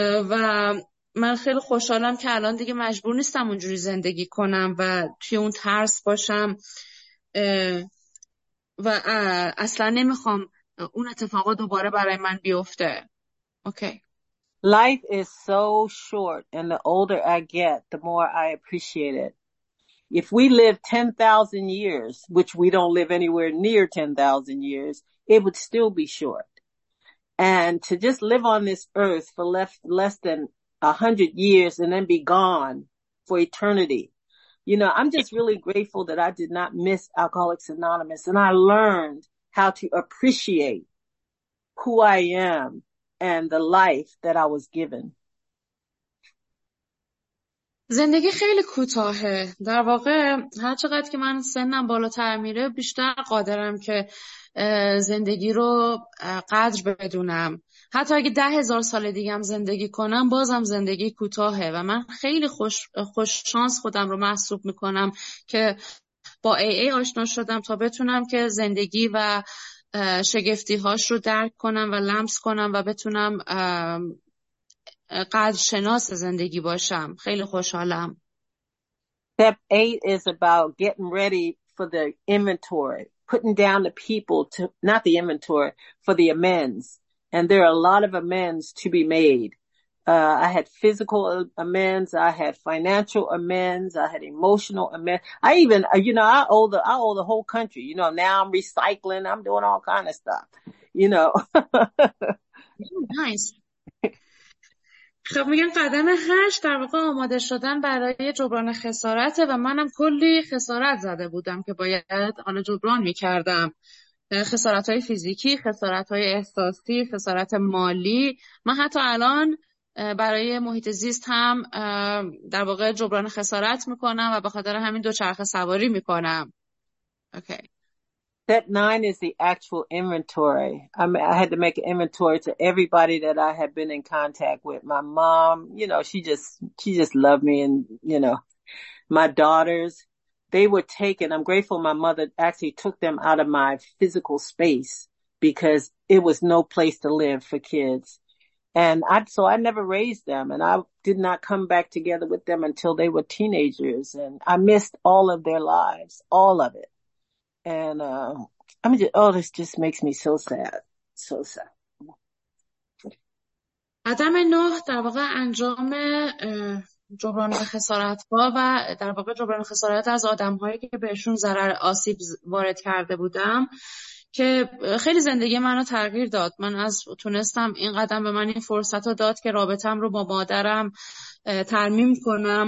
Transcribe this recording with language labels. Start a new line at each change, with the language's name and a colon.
Persian: و من خیلی خوشحالم که الان دیگه مجبور نیستم اونجوری زندگی کنم و توی اون ترس باشم و اصلا نمیخوام اون اتفاقا دوباره برای من بیفته.
English: Okay. Life is so short and the older I get, the more I appreciate it. If we live 10,000 years, which we don't live anywhere near 10,000 years, it would still be short. And to just live on this earth for less than 100 years and then be gone for eternity. You know, I'm just really grateful that I did not miss Alcoholics Anonymous and I learned how to appreciate who I am and the life that I was given.
Persian: زندگی خیلی کوتاهه. در واقع هر چقدر که من سنم بالاتر میره بیشتر قادرم که زندگی رو قدر بدونم. حتی اگه 10,000 سال دیگه هم زندگی کنم بازم زندگی کوتاهه و من خیلی خوش شانس خودم رو محسوب میکنم که با AA آشنا شدم تا بتونم که زندگی و شگفتی هاش رو درک کنم و لمس کنم و بتونم قدر شناس زندگی باشم. خیلی خوشحالم.
English: Step 8 is about getting ready for the inventory, putting down the people to not the inventory for the amends. And there are a lot of amends to be made. I had physical amends. I had financial amends. I had emotional amends. I even, you know, I owe the whole country. You know, now I'm recycling. I'm doing all kind of stuff, you know. Nice.
Persian: خب میگم قدم 8 در واقع آماده شدن برای جبران خسارته و منم کلی خسارت زده بودم که باید حالا جبران میکردم. خسارت های فیزیکی، خسارت های احساسی، خسارت مالی. من حتی الان برای محیط زیست هم در واقع جبران خسارت میکنم و به خاطر همین دوچرخه سواری میکنم.
English: Okay. Step nine is the actual inventory. I had to make an inventory to everybody that I had been in contact with. My mom, you know, she just loved me. And, you know, my daughters, they were taken. I'm grateful my mother actually took them out of my physical space because it was no place to live for kids. And so I never raised them, and I did not come back together with them until they were teenagers. And I missed all of their lives, all of it. And I mean, oh, this just makes me so sad, so sad.
Persian: قدم نه در واقع انجام جبران خسارت ها و در واقع جبران خسارت از آدم هایی که بهشون ضرر آسیب وارد کرده بودم که خیلی زندگی منو تغییر داد. من از تونستم این قدم به من این فرصت رو داد که رابطم رو با مادرم ترمیم کنم.